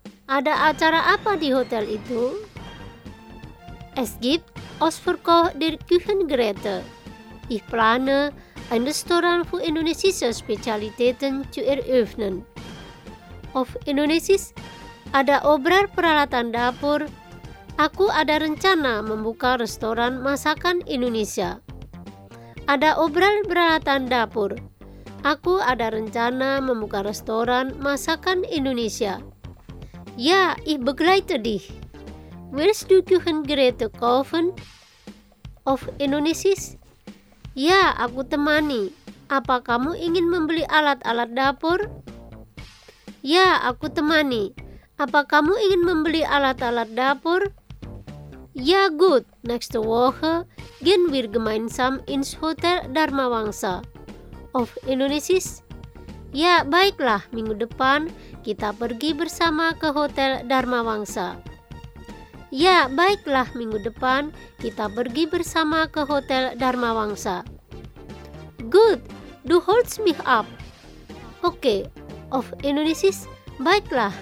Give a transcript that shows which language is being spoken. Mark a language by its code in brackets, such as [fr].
[id] Ada acara apa di hotel itu? [de] Es gibt Ausverkauf der Küchengeräte. Ich plane, ein Restaurant für indonesische Spezialitäten zu eröffnen. Auf Indonesisch, [id] ada obrar peralatan dapur. Aku ada rencana membuka restoran masakan Indonesia. Ada obrar peralatan dapur. Aku ada rencana membuka restoran masakan Indonesia. [de] Ya, ich begleite dich. Willst du Küchengeräte kaufen? Auf Indonesisch? [id] Ya, aku temani. Apa kamu ingin membeli alat-alat dapur? Ya, aku temani. Apa kamu ingin membeli alat-alat dapur? [de] Ya, gut. Nächste Woche gehen wir gemeinsam ins Hotel Dharma Wangsa. Auf Indonesisch? [id] Ya, baiklah. Minggu depan kita pergi bersama ke Hotel Dharma Wangsa. Ya, baiklah. Minggu depan kita pergi bersama ke Hotel Dharma Wangsa. Good. [de] Du holst mich ab. [id] Oke. Okay. [de] Auf Indonesisch? [id] Baiklah.